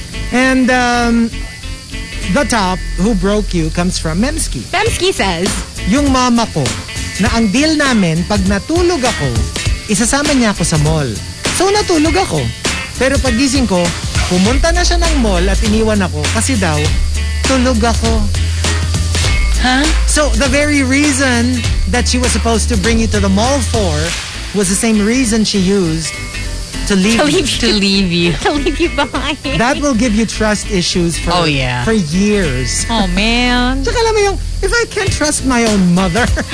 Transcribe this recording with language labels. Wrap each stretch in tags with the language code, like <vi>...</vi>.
<en>And the top, who broke you, comes from Memski. Memski says,</en> <tl>yung mama ko, na ang deal namin, pag natulog ako, isasama niya ako sa mall. So natulog ako. Pero pagising ko, pumunta na siya ng mall at iniwan ako kasi daw, tulog ako. Huh?</tl> <en>So the very reason that she was supposed to bring you to the mall for was the same reason she used to leave, To leave you behind. That will give you trust issues for, for years. Oh man.</en> <tl>Tsaka alam mo yung,</tl> <en>if I can't trust my own mother.</en>